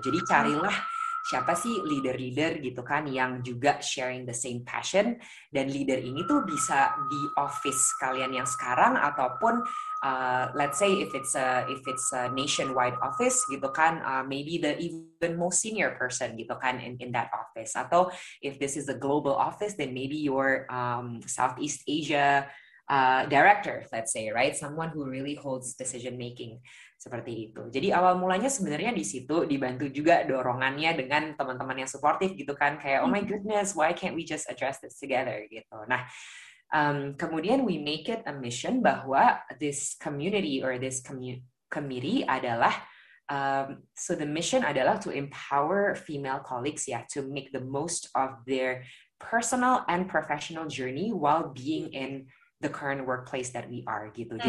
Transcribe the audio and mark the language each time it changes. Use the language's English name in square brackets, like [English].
[Indonesian] Jadi carilah siapa sih leader-leader gitu kan yang juga [English] sharing the same passion, [Indonesian] dan leader ini tuh bisa di office kalian yang sekarang ataupun [English] let's say if it's a nationwide office gitu kan, maybe the even most senior person gitu kan in that office, atau if this is a global office then maybe your Southeast Asia director, let's say, right? Someone who really holds decision making. [Indonesian] Seperti itu. Jadi awal mulanya sebenarnya di situ, dibantu juga dorongannya dengan teman-teman yang suportif gitu kan. [English] Kayak, oh my goodness, why can't we just address this together gitu. Nah, kemudian we make it a mission bahwa this community or this committee adalah, so the mission adalah to empower female colleagues, yeah, to make the most of their personal and professional journey while being in the current workplace that we are, gitu.